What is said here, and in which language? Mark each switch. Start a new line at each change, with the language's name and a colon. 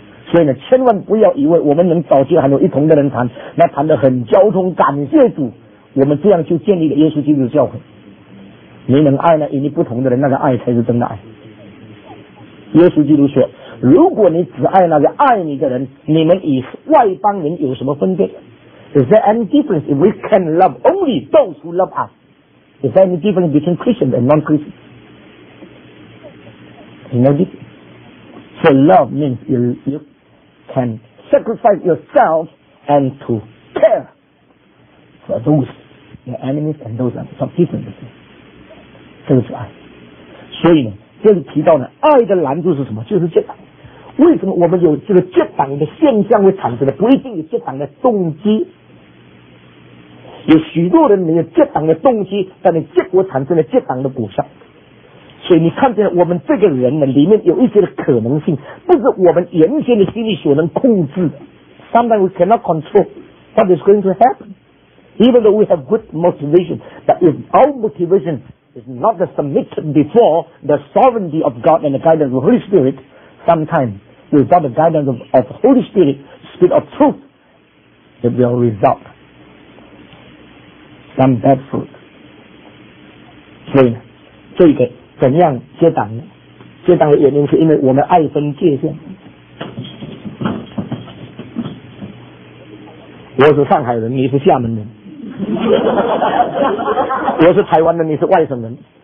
Chinese: 所以呢，千万不要以为我们能找些很多一同的人谈，那谈得很交通，感谢主，我们这样就建立了耶稣基督的教会。你能爱呢与你不同的人，那个爱才是真的爱。耶稣基督说，如果你只爱那个爱你的人，你们与外邦人有什么分别？
English: Is there any difference if we can love only those who love us? Is there any difference between Christians and non-Christians? You know this? So love means you can sacrifice yourself and to care for those, your enemies and those are some different.
Chinese: 这个是爱。所以呢，这里提到呢，爱的拦阻是什么？就是这个。为什么我们有这个结党的现象会产生的？不一定有结党的动机，有许多人没有结党的动机，但是结果产生了结党的果效。所以你看见我们这个人呢，里面有一些的可能性，不是我们原先的心理所能控制的。
English: Sometimes we cannot control what is going to happen. Even though we have good motivation, but if our motivation is not the submitted before the sovereignty of God and the guidance of the Holy Spirit. Sometimes, without the guidance of Holy Spirit, Spirit of Truth, it will result some bad fruit.
Chinese: 所以呢，这个怎样结党呢？结党的原因是因为我们爱分界限。我是上海人，你是厦门人。我是台湾人，你是外省人。